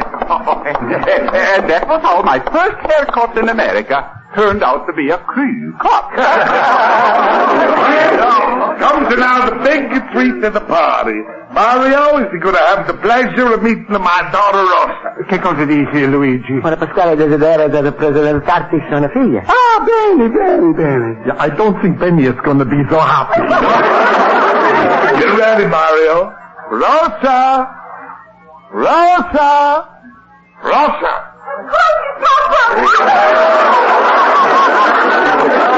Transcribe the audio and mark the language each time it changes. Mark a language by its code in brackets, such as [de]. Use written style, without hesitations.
[en] Oh, that was how my first haircut in America turned out to be a cream cut. Comes now the big treat of the party. Mario, is he going to have the pleasure of meeting my daughter, Rosa? [it] Che cosa dici, Luigi? Ma Pasquale desidera di presentarti sua figlia. Ah, bene, bene, bene. [en] I don't think Benny is going to be so happy. Get ready, Mario. Rosa! Rosa! Rosa! Papa!